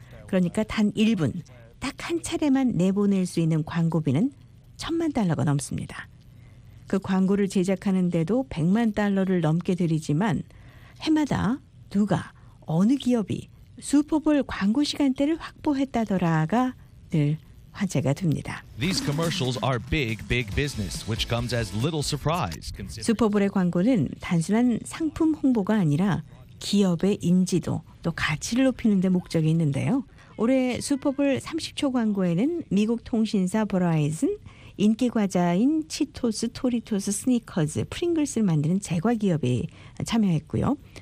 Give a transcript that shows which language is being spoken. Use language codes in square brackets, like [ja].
[ko] 그러니까 단 1분, 딱 한 차례만 내보낼 수 있는 광고비는 1천만 달러가 넘습니다. 그 광고를 제작하는데도 100만 달러를 넘게 들이지만 해마다 누가, 어느 기업이 슈퍼볼 광고 시간대를 확보했다더라가 늘 화제가 됩니다. [en] These commercials are big, big business, which comes as little surprise. [ko] 슈퍼볼의 광고는 단순한 상품 홍보가 아니라 기업의 인지도 또 가치를 높이는 데 목적이 있는데요. 올해 슈퍼볼 30초 광고에는 미국 통신사 버라이즌, 인기 과자인 치토스, 토리토스, 스니커즈, 프링글스를 만드는 제과 기업이 참여했고요.